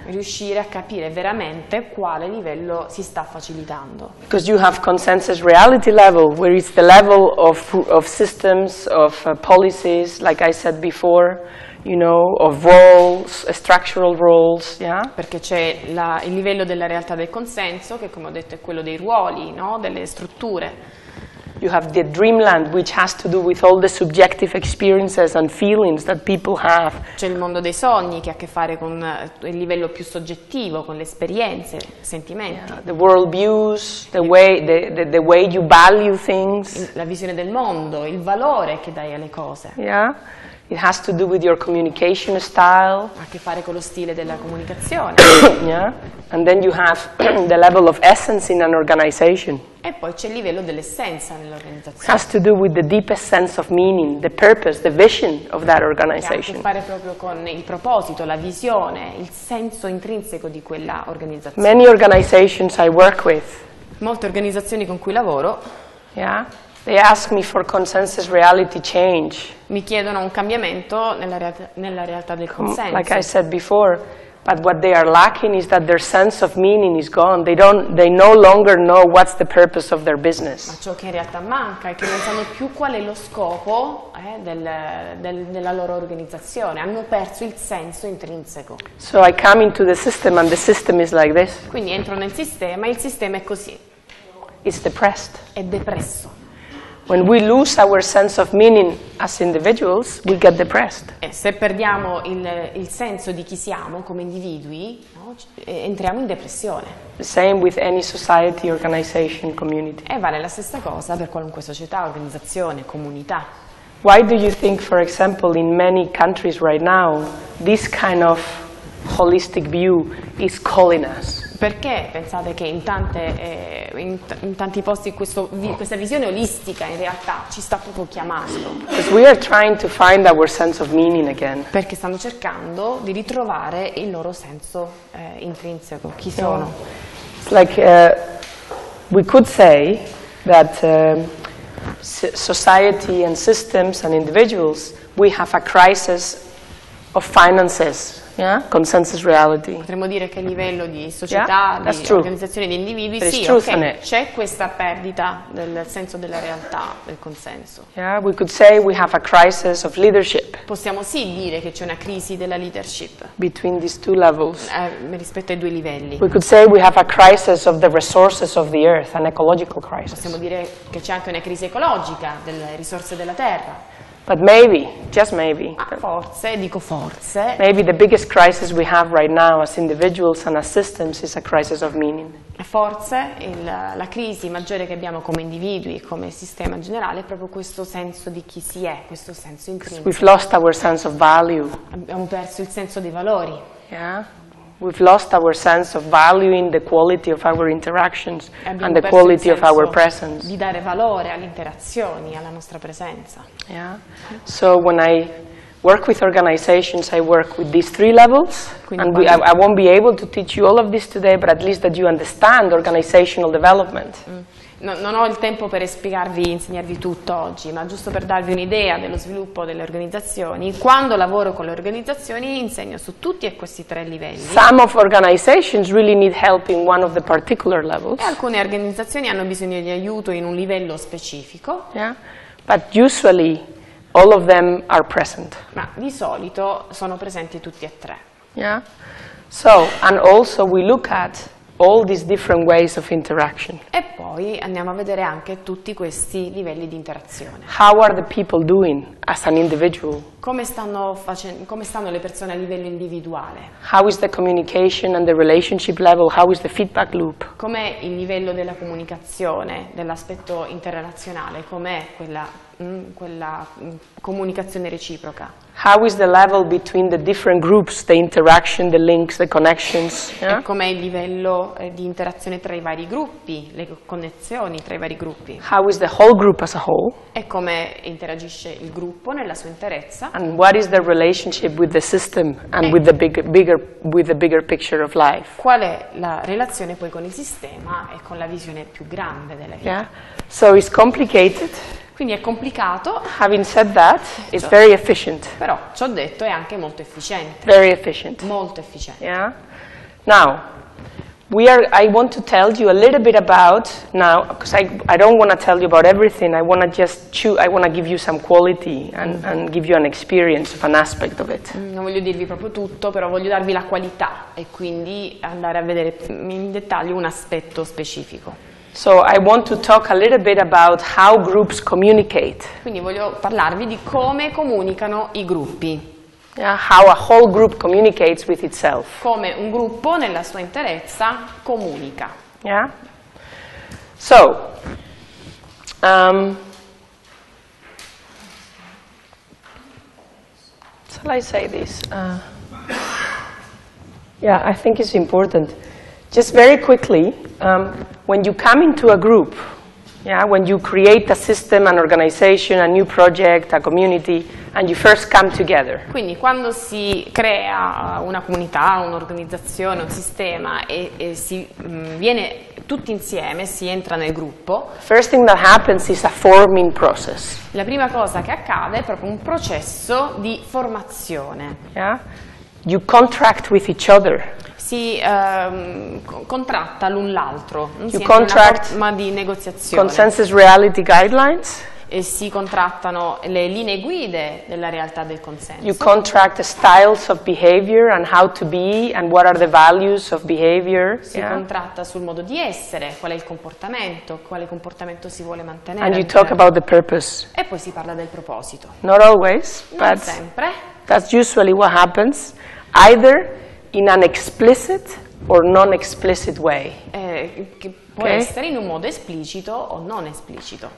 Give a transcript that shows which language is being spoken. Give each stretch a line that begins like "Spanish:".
Italian: Riuscire a capire veramente quale livello si sta facilitando.
English: Because you have consensus reality level, where it's the level of systems, of policies, like I said before, you know, of roles, structural roles, yeah?
Italian: Perché c'è il livello della realtà del consenso, che come ho detto è quello dei ruoli, no? Delle strutture.
English: You have the dreamland, which has to do with all the subjective experiences and feelings that people have.
Italian: C'è il mondo dei sogni che ha a che fare con il livello più soggettivo, con le esperienze, sentimenti.
English: Yeah, the world views, the way you value things.
Italian: La visione del mondo, il valore che dai alle cose.
English: Yeah. It has to do with your communication style.
Italian: Ha a che fare con lo stile della comunicazione.
English: Yeah. And then you have the level of essence in an organization.
Italian: E poi c'è il livello dell'essenza nell'organizzazione.
English: It has to do with the deepest sense of meaning, the purpose, the vision of that organization.
Italian: Ha a che fare proprio con il proposito, la visione, il senso intrinseco di quella organizzazione.
English: Many organizations I work with.
Italian: Molte organizzazioni con cui lavoro.
English: Yeah. They ask me for consensus reality change.
Italian: Mi chiedono un cambiamento nella realtà del consenso.
English: Like I said before, but what they are lacking is that their sense of meaning is gone. They no longer know what's the purpose of their business.
Italian: Ma ciò che in realtà manca è che non sanno più qual è lo scopo della loro organizzazione. Hanno perso il senso intrinseco.
English: So I come into the system and the system is like this.
Italian: Quindi entro nel sistema e il sistema è così.
English: It's depressed.
Italian: È depresso.
English: When we lose our sense of meaning as individuals, we get depressed.
Italian: E se perdiamo il senso di chi siamo come individui, no? Entriamo in depressione.
English: The same with any society, organization, community.
Italian: E vale la stessa cosa per qualunque società, organizzazione, comunità.
English: Why do you think, for example, in many countries right now, this kind of holistic view is calling us?
Italian: Perché pensate che in tanti posti questa visione olistica in realtà ci sta proprio chiamando?
English: Because we are trying to find our sense of meaning again.
Italian: Perché stanno cercando di ritrovare il loro senso intrinseco, chi sono.
English: It's like we could say that society and systems and individuals, we have a crisis of finances. Yeah, consensus reality.
Italian: Potremmo dire che a livello di società,
English: yeah,
Italian: di organizzazione, di individui,
English: there's
Italian: sì,
English: okay,
Italian: c'è questa perdita del senso della realtà, del consenso.
English: Yeah, we could say we have a crisis of leadership.
Italian: Possiamo sì dire che c'è una crisi della leadership.
English: Between these two levels.
Italian: Rispetto ai due livelli.
English: We could say we have a crisis of the resources of the earth, an ecological crisis.
Italian: Possiamo dire che c'è anche una crisi ecologica delle risorse della terra.
English: But maybe, just maybe.
Italian: Forse, dico forse.
English: Maybe the biggest crisis we have right now as individuals and as systems is a crisis of meaning.
Italian: Forse la crisi maggiore che abbiamo come individui e come sistema generale è proprio questo senso di chi si è, questo senso intrinseco.
English: We've lost our sense of value.
Italian: Abbiamo perso il senso dei valori.
English: Yeah. We've lost our sense of valuing the quality of our interactions and the quality of our presence.
Italian: Di dare valore alle interazioni, alla nostra presenza.
English: Yeah. So when I work with organizations, I work with these three levels.
Italian: Quindi
English: and I won't be able to teach you all of this today, but at least that you understand organizational development.
Italian: non ho il tempo per spiegarvi, insegnarvi tutto oggi, ma giusto per darvi un'idea dello sviluppo delle organizzazioni, quando lavoro con le organizzazioni insegno su tutti e questi tre livelli.
English: Some of organizations really need help in one of the particular levels.
Italian: E alcune organizzazioni hanno bisogno di aiuto in un livello specifico.
English: Yeah. But usually all of them are present.
Italian: Ma di solito sono presenti tutti e tre.
English: Yeah. So, and also we look at all these different ways of interaction.
Italian: E poi andiamo a vedere anche tutti questi livelli di interazione.
English: How are the people doing as an individual?
Italian: Come stanno le persone a livello individuale?
English: How is the communication and the relationship level? How is the feedback loop?
Italian: Com'è il livello della comunicazione, dell'aspetto interrelazionale? Com'è quella comunicazione reciproca?
English: How is the level between the different groups, the interaction, the links, the connections? Yeah?
Italian: E com'è il livello di interazione tra i vari gruppi, le connessioni tra i vari gruppi?
English: How is the whole group as a whole?
Italian: E come interagisce il gruppo nella sua interezza?
English: And what is the relationship with the system and with the bigger picture of life?
Italian: Qual è la relazione poi con il sistema e con la visione più grande della vita?
English: Yeah? So it's complicated.
Italian: Quindi è complicato.
English: Having said that, it's very efficient.
Italian: Però ciò detto è anche molto efficiente.
English: Very efficient.
Italian: Molto efficiente.
English: Yeah. Now, I want to tell you a little bit about now, because I don't want to tell you about everything. I want to give you some quality and give you an experience of an aspect of it.
Italian: Non voglio dirvi proprio tutto, però voglio darvi la qualità e quindi andare a vedere in dettaglio un aspetto specifico.
English: So I want to talk a little bit about how groups communicate.
Italian: Quindi voglio parlarvi di come comunicano i gruppi.
English: Yeah, how a whole group communicates with itself.
Italian: Come un gruppo nella sua interezza comunica.
English: Yeah. So shall I say this? I think it's important. Just very quickly, when you come into a group, yeah, when you create a system, an organization, a new project, a community, and you first come together.
Italian: Quindi quando si crea una comunità, un'organizzazione, un sistema e si viene tutti insieme, si entra nel gruppo.
English: First thing that happens is a forming process.
Italian: La prima cosa che accade è proprio un processo di formazione.
English: Yeah? You contract with each other.
Italian: Si contratta l'un l'altro,
English: you contract
Italian: una forma di negoziazione.
English: Consensus reality guidelines.
Italian: E si contrattano le linee guide della realtà del consenso.
English: You contract styles of behavior and how to be and what are the values of behavior.
Italian: Si contratta sul modo di essere, qual è il comportamento, quale comportamento si vuole mantenere.
English: And you talk about the purpose.
Italian: E poi si parla del proposito.
English: Not always, but
Italian: non sempre.
English: That's usually what happens, either in an explicit or non-explicit way.
Italian: Può essere in un modo esplicito o non esplicito.